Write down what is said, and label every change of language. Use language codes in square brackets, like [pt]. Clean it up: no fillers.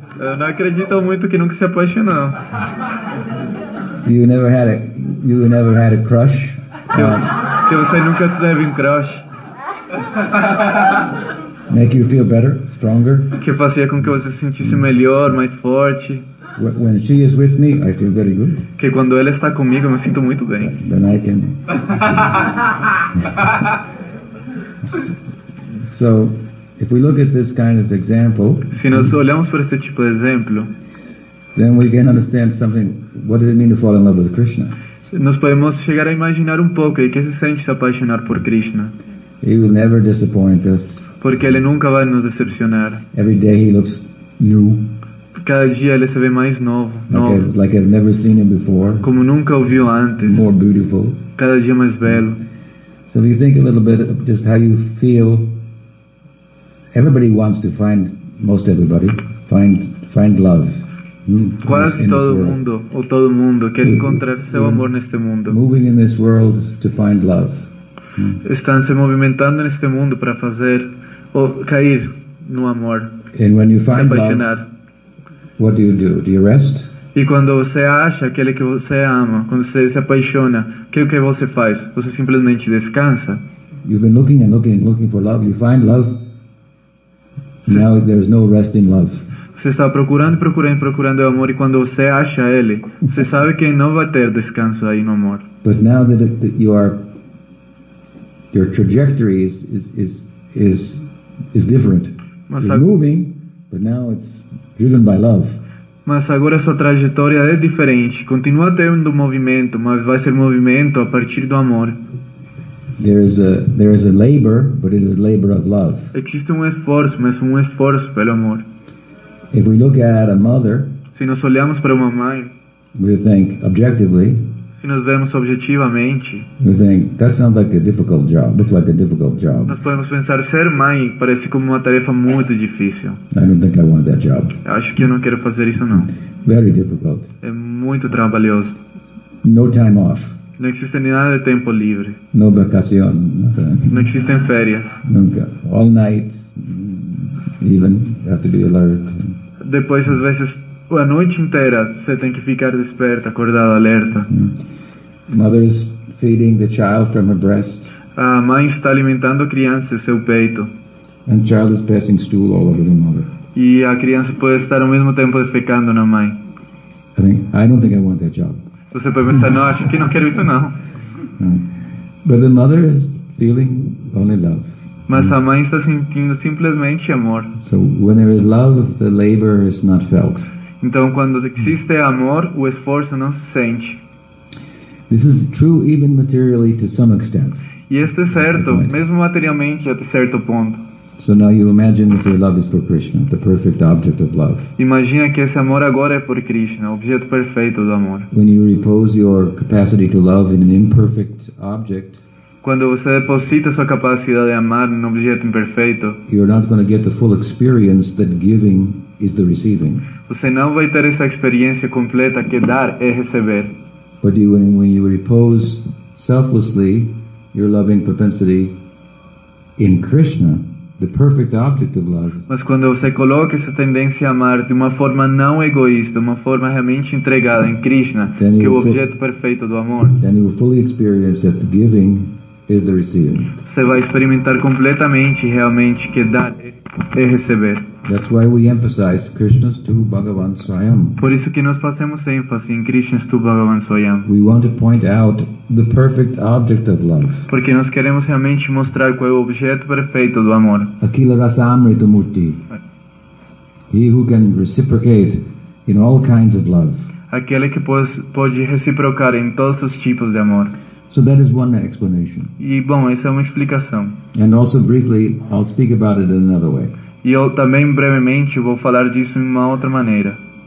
[pt] Eu não acredito muito que nunca se apaixonou. [en] You never had a crush? [pt] Que você nunca teve crush? [en] Make you feel better, stronger. [pt] Que fazia com que você se sentisse melhor, mais forte. [en] When she is with me, I feel very good. [pt] Que quando ela está comigo, eu me sinto muito bem. [en] Then I can. So, if we look at this kind of example. [pt] Se nós olhamos para esse tipo de exemplo. [en] Then we can understand something. What does it mean to fall in love with Krishna? [pt] Nós podemos chegar a imaginar pouco o que se sente se apaixonar por Krishna. [en] He will never disappoint us. [pt] Porque ele nunca vai nos decepcionar. [en] Every day he looks new. [pt] Cada dia ele se vê mais novo. [en] Like I've never seen him before. [pt] Como nunca o viu antes. [en] More beautiful. [pt] Cada dia mais belo. [en] So if you think a little bit of just how you feel. Everybody wants to find, most everybody, find love. [pt] Quase todo mundo, ou todo mundo, quer encontrar seu amor neste mundo. [en] Moving in this world to find love. [pt] Estão se movimentando neste mundo para fazer ou cair no amor. [en] And when you find love, what do you do? Do you rest? [pt] E quando você acha aquele que você ama, quando você se apaixona, o que você faz? Você simplesmente descansa. [en] You've been looking and looking and looking for love. You find love. Now there's no rest in love. [pt] Você está procurando, procurando, procurando o amor, e quando você acha ele, você sabe que não vai ter descanso aí no amor. [en] But now that you are, your trajectory is different. Moving, but now it's driven by love. [pt] Mas agora sua trajetória é diferente. Continua tendo movimento, mas vai ser movimento a partir do amor. [en] There is a labor, but it is labor of love. [pt] Existe esforço, mas um esforço pelo amor. [en] If we look at a mother, [pt] se nós olhamos para uma mãe, [en] we think objectively. [pt] Se nós vemos objetivamente, [en] we think that sounds like a difficult job. Looks like a difficult job. [pt] Nós podemos pensar ser mãe parece como uma tarefa muito difícil. [en] I don't think I want that job. [pt] Acho que eu não quero fazer isso não. [en] Very difficult. [pt] É muito trabalhoso. [en] No time off. [pt] Não existe nada de tempo livre. [es] No vacación, nada. [pt] Não existem férias. Nunca. [en] All night, even you have to be alert. [pt] Depois às vezes a noite inteira você tem que ficar desperto, acordado, alerta. [en] Mother's feeding the child from her breast. [pt] A mãe está alimentando a criança em seu peito. [en] And child is passing stool all over the mother. [pt] E a criança pode estar ao mesmo tempo defecando na mãe. [en] I don't think I want that job. [pt] Você pode pensar, não, acho que não quero isso não. [en] But the mother is feeling only love. [pt] Mas a mãe está sentindo simplesmente amor. [en] So when there is love, the labor is not felt. [pt] Então, quando existe amor, o esforço não se sente. [en] This is true even materially to some extent. [pt] E isso é certo, mesmo materialmente até certo ponto. [en] So now you imagine that your love is for Krishna, the perfect object of love. [pt] Imagina que esse amor agora é por Krishna, o objeto perfeito do amor. [en] When you repose your capacity to love in an imperfect object, [pt] quando você deposita sua capacidade de amar num objeto imperfeito, [en] you're not going to get the full experience that giving is the receiving. [pt] Você não vai ter essa experiência completa que dar é receber. [en] But you, when you repose selflessly your loving propensity in Krishna, the perfect object of love. [pt] Mas quando você coloca essa tendência a amar de uma forma não egoísta, uma forma realmente entregada em Krishna, que é o objeto perfeito do amor, [en] then you will fully experience that the giving is the receiving. [pt] Você vai experimentar completamente realmente que dar é receber. [en] That's why we emphasize Krishna's two Bhagavan Swayam. [pt] Por isso que nós fazemos ênfase em [en] Krishna's two Bhagavan Swayam. We want to point out the perfect object of love. [pt] Porque nós queremos realmente mostrar qual é o objeto perfeito do amor. [sa] Akila rasamrita murti. [en] He who can reciprocate in all kinds of love. [pt] Aquele que pode reciprocar em todos os tipos de amor. [en] So that is one explanation. [pt] E bom, essa é uma explicação. [en] And also briefly, I'll speak about it in another way. [pt] E eu também brevemente vou falar disso de uma outra maneira.